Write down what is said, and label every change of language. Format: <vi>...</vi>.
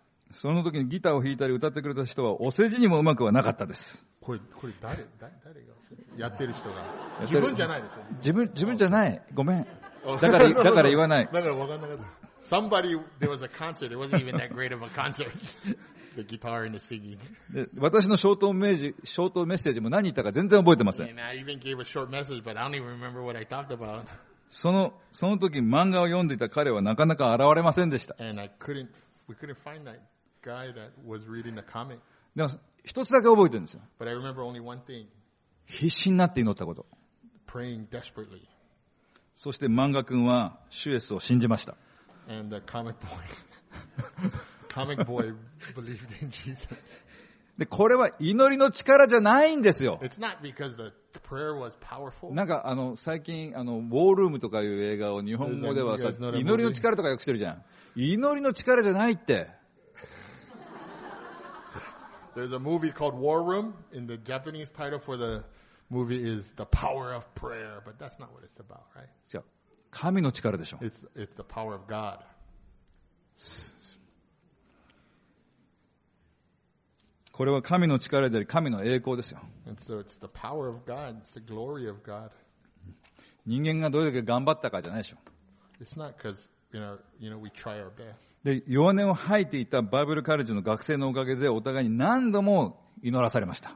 <ja>その時にギターを弾いたり歌ってくれた人はお世辞にもうまくはなかったです。これ誰がやってる人が自分じゃないですよ。自分じゃない。ごめん。だから言わない。だからわかんなかった。</ja> <en>Somebody, there was a concert. It wasn't even that great of a concert. The guitar and the singing.</en> <ja>私のショートメッセージも何言ったか全然覚えてません。</ja> <en>And I even gave a short message, but I don't even remember what I talked about.</en> <ja>その時漫画を読んでいた彼はなかなか現れませんでした。</ja> <en>And we couldn't find that guy that was reading the comic.</en> <ja>でも一つだけ覚えてるんですよ。</ja> <en>But I remember only one thing.</en> <ja>必死になって祈ったこと。</ja> <en>Praying desperately.</en> <ja>そして漫画君は主イエスを信じました。</ja> <en>And the comic boy. comic boy believed in Jesus.</en> <ja>で、これは祈りの力じゃないんですよ。</ja> <en>It's not because the prayer was powerful.</en> <ja>なんか最近ウォールームとかいう映画を日本語ではさ、祈りの力とかよくしてるじゃん。祈りの力じゃないって。</ja> <en>There's a movie called War Room, and the Japanese title for the movie is The Power of Prayer, but that's not what it's about, right?</en> <ja>違う。神の力でしょ。</ja> <en>It's the power of God.</en> <ja>神の力であり、神の栄光ですよ。</ja> <en>And so it's the power of God, it's the glory of God.</en> <ja>人間がどれだけ頑張ったかじゃないでしょ。</ja> <en>It's not because, you know, we try our best.</en> <ja>で、弱音を吐いていたバイブルカレッジの学生のおかげでお互いに何度も祈らされました。</ja>